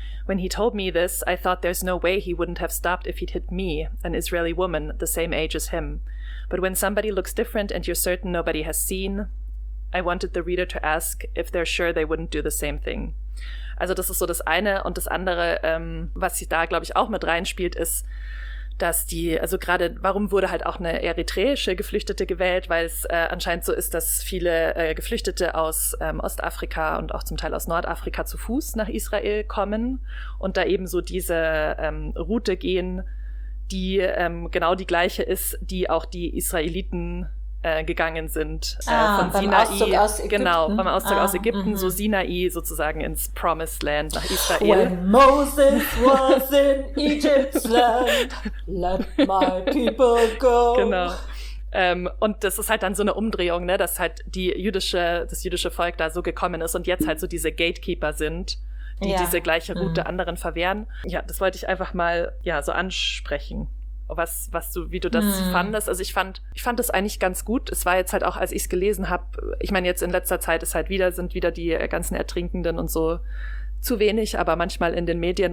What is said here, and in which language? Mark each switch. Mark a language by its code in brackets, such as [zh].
[en] When he told me this, I thought there's no way he wouldn't have stopped if he'd hit me, an Israeli woman, the same age as him. But when somebody looks different and you're certain nobody has seen, I wanted the reader to ask if they're sure they wouldn't do the same thing. [de] Also das ist so das eine. Und das andere, was sie da, glaube ich, auch mit reinspielt, ist, dass die, also gerade, warum wurde halt auch eine eritreische Geflüchtete gewählt? Weil es anscheinend so ist, dass viele Geflüchtete aus Ostafrika und auch zum Teil aus Nordafrika zu Fuß nach Israel kommen und da eben so diese Route gehen, die genau die gleiche ist, die auch die Israeliten gegangen sind. Von Sinai, beim Auszug aus Ägypten. Genau, beim Auszug aus Ägypten, so Sinai sozusagen ins [en] Promised Land [de] nach Israel. [en] When Moses was in Egypt's land, let my people go. [de] Genau. Und das ist halt dann so eine Umdrehung, ne, dass halt das jüdische Volk da so gekommen ist und jetzt halt so diese Gatekeeper sind, die diese gleiche Route anderen verwehren. Ja, das wollte ich einfach mal so ansprechen. Wie du das fandest. Also ich fand das eigentlich ganz gut. Es war jetzt halt auch, als ich es gelesen habe, ich meine, jetzt in letzter Zeit sind wieder die ganzen Ertrinkenden und so zu wenig, aber manchmal in den Medien.